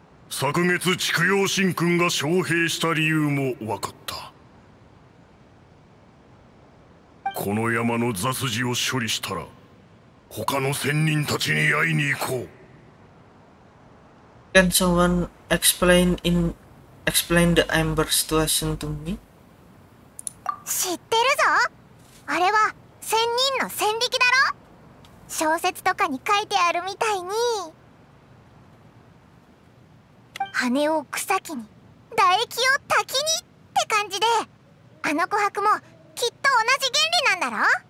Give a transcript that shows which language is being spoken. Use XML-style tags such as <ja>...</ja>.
<ja>昨月蓄養神君が招聘した理由も分かった。この山の雑事を処理したら他の仙人たちに会いに行こう。</ja> <en>Can someone explain the Amber situation to me?</en> <ja>知ってるぞ。あれは仙人の戦力だろ。小説とかに書いてあるみたいに、羽を草木に、唾液を滝にって感じで、あの琥珀もきっと同じ原理なんだろ。</ja>